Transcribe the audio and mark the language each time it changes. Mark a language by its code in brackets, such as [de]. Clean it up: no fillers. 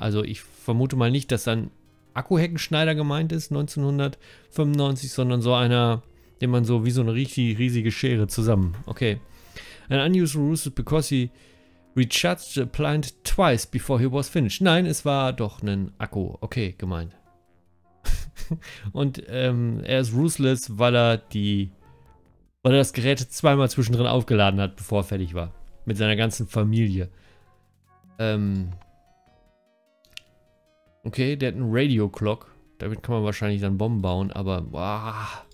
[de] Also ich vermute mal nicht, dass ein Akku-Heckenschneider gemeint ist, 1995, sondern so einer, den man so wie so eine richtig riesige Schere zusammen. Okay. [en] An unusual ruse because he recharged the plant twice before he was finished. [de] Nein, es war doch ein Akku. Okay, gemeint. Und er ist ruthless, weil er das Gerät zweimal zwischendrin aufgeladen hat, bevor er fertig war. Mit seiner ganzen Familie. Okay, der hat einen Radio Clock. Damit kann man wahrscheinlich dann Bomben bauen, aber boah.